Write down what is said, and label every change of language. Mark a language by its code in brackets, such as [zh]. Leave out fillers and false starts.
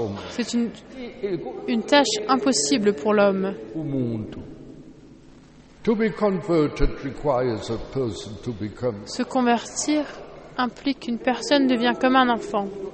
[fr] C'est une tâche impossible pour l'homme. [en] To be converted requires a person to become [fr] se convertir implique qu'une personne devient comme un enfant.